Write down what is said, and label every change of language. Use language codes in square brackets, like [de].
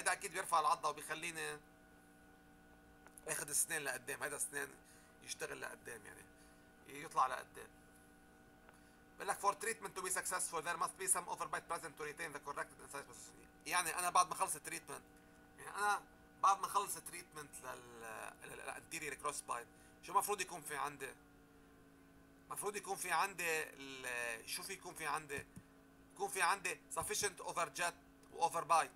[ar] هيدا اكيد بيرفع العضه وبيخليني اخذ السنان لقدام، هيدا السنان يشتغل لقدام يعني يطلع لقدام. [en] بقول لك for treatment to be successful there must be some overbite present to retain the corrected incised position. [ar] يعني انا بعد ما خلص التريتمنت، يعني انا بعد ما خلص التريتمنت للانتيريور كروس بايت شو المفروض يكون في عندي؟ المفروض يكون في عندي شو في يكون في عندي؟ يكون في عندي sufficient overjet واوفربايت.